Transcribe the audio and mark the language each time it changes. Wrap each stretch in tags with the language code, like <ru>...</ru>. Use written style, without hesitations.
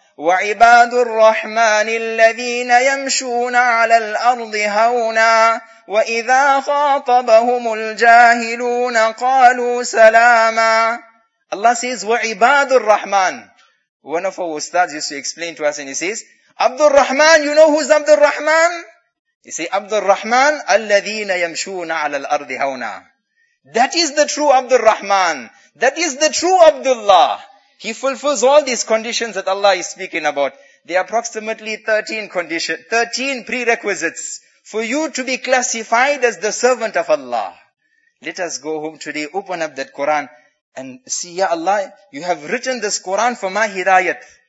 <ar>وَعِبَادُ الرَّحْمَنِ الَّذِينَ يَمْشُونَ عَلَى الْأَرْضِ هَوْنًا وَإِذَا خَاطَبَهُمُ الْجَاهِلُونَ قَالُوا سَلَامًا.</ar> <en>Allah says,</en> <ar>وَعِبَادُ الرَّحْمَنِ.</ar> <en>One of our ustads used to explain to us and he says, Abdul Rahman, you know who's Abdul Rahman? He says, Abdul Rahman,</en> <ar>الَّذِينَ يَمْشُونَ عَلَى الْأَرْضِ هَوْنَا.</ar> <en>That is the true Abdul Rahman. That is the true Abdullah. He fulfills all these conditions that Allah is speaking about. There are approximately 13 prerequisites for you to be classified as the servant of Allah. Let us go home today, open up that Quran. And see, Ya Allah, you have written this Quran for my hidayat.</en>